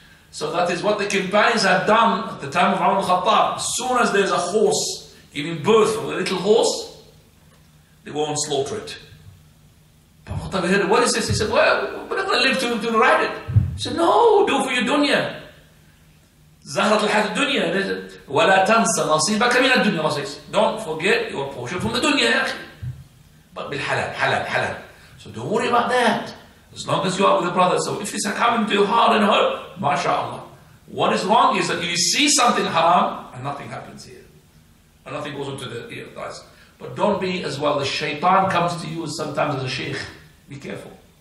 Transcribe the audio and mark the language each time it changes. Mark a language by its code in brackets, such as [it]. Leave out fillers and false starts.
[en] So that is what the companions had done at the time of Umar al-Khattab. As soon as there's a horse giving birth from a little horse, they go and slaughter it. But what have you heard? What is this? He said, well, we're not going to live to ride it. He said, no, do for your dunya. Zahrat al-hayat al-dunya. He said, [ar] وَلَا تَنْسَ نَصِيبَكَ مِنَ الدُّنْيَا. [en] Allah says, don't forget your portion from the dunya. But بِالْحَلَال, halal, halal. So don't worry about that. As long as you are with a brother. So if it's coming to your heart and hurt, mashallah. What is wrong is that you see something haram and nothing happens here. And nothing goes into the ear, guys. But don't be as well. The shaitan comes to you sometimes as a sheikh. Be careful.